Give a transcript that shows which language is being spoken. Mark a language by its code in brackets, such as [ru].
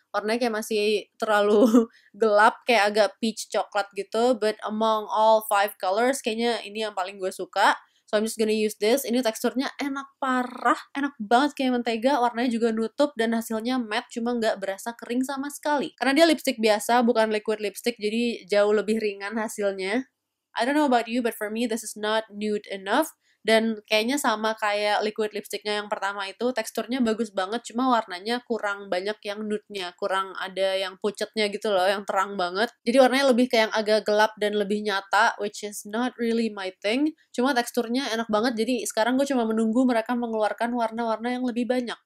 [id] Warnanya kayak masih terlalu gelap, kayak agak peach coklat gitu. [en] But among all 5 colors, [id] kayaknya ini yang paling gue suka. [en] So I'm just gonna use this. [id] Ini teksturnya enak parah, enak banget kayak mentega. Warnanya juga nutup dan hasilnya matte, cuma nggak berasa kering sama sekali. Karena dia lipstick biasa, bukan liquid lipstick, jadi jauh lebih ringan hasilnya. [en] I don't know about you, but for me this is not nude enough. [id] Dan kayaknya sama kayak liquid lipsticknya yang pertama itu, teksturnya bagus banget, cuma warnanya kurang banyak yang nude-nya, kurang ada yang pucetnya gitu loh, yang terang banget. Jadi warnanya lebih kayak yang agak gelap dan lebih nyata, [en] which is not really my thing. [id] Cuma teksturnya enak banget, jadi sekarang gue cuma menunggu mereka mengeluarkan warna-warna yang lebih banyak.